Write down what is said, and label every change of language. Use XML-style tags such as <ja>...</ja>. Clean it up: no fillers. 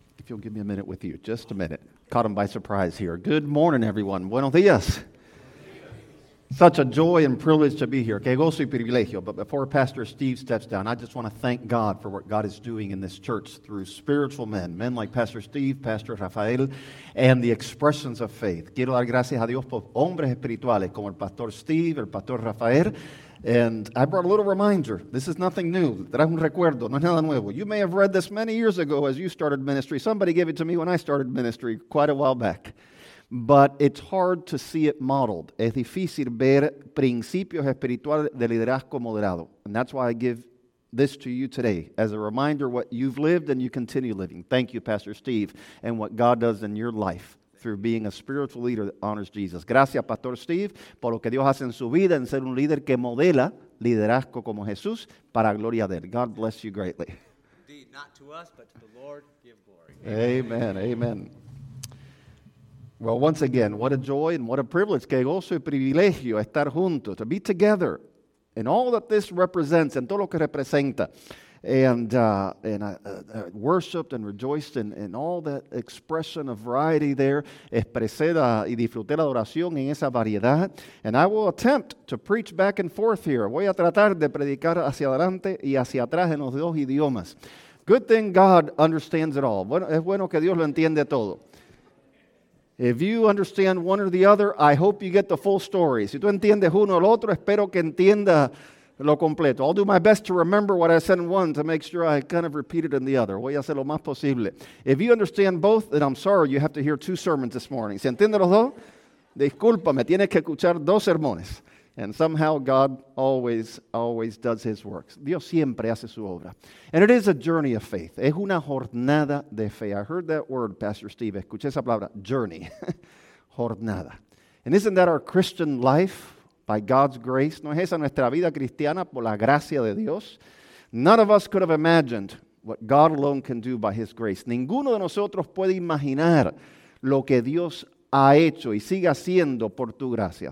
<en>If you'll give me a minute with you, just a minute. Caught him by surprise here. Good morning, everyone.</en> <es>Buenos dias.</es> <en>Such a joy and privilege to be here.</en> <es>Que gozo y privilegio.</es> <en>But before Pastor Steve steps down, I just want to thank God for what God is doing in this church through spiritual men, men like Pastor Steve, Pastor Rafael, and the expressions of faith.</en> <es>Quiero dar gracias a Dios por hombres espirituales como el Pastor Steve, el Pastor Rafael.</es> <en>And I brought a little reminder. This is nothing new.</en> <es>Trae un recuerdo, no es nada nuevo.</es> <en>You may have read this many years ago as you started ministry. Somebody gave it to me when I started ministry quite a while back. But it's hard to see it modeled.</en> <es>Es difícil ver principios espirituales de liderazgo moderado.</es> <en>And that's why I give this to you today as a reminder what you've lived and you continue living. Thank you, Pastor Steve, and what God does in your life through being a spiritual leader that honors Jesus.</en> <es>Gracias, Pastor Steve, por lo que Dios hace en su vida en ser un líder que modela liderazgo como Jesús para gloria de él.</es> <en>God bless you greatly. Indeed, not to us, but to the Lord give glory. Amen, amen. Well, once again, what a joy and what a privilege.</en> <es>Que gozo y privilegio estar juntos,</es> <en>to be together, and all that this represents, and</en> <es>todo lo que representa.</es> <en>And I worshipped and rejoiced in all that expression of variety there.</en> <es>Expresé y disfruté la oración en esa variedad.</es> <en>And I will attempt to preach back and forth here.</en> <es>Voy a tratar de predicar hacia adelante y hacia atrás en los dos idiomas.</es> <en>Good thing God understands it all.</en> <es>Bueno, es bueno que Dios lo entiende todo.</es> <en>If you understand one or the other, I hope you get the full story.</en> <es>Si tú entiendes uno o el otro, espero que entienda lo completo.</es> <en>I'll do my best to remember what I said in one to make sure I kind of repeat it in the other.</en> <es>Voy a hacer lo más posible.</es> <en>If you understand both, then I'm sorry you have to hear two sermons this morning.</en> <es>Si entiendes los dos, discúlpame, tienes que escuchar dos sermones.</es> <en>And somehow God always does his works.</en> <es>Dios siempre hace su obra.</es> <en>And it is a journey of faith.</en> <es>Es una jornada de fe.</es> <en>I heard that word, Pastor Steve.</en> <es>Escuché esa palabra, journey. Jornada.</es> <en>And isn't that our Christian life by God's grace?</en> <es>¿No es esa nuestra vida cristiana por la gracia de Dios?</es> <en>None of us could have imagined what God alone can do by his grace.</en> <es>Ninguno de nosotros puede imaginar lo que Dios ha hecho y sigue haciendo por tu gracia.</es>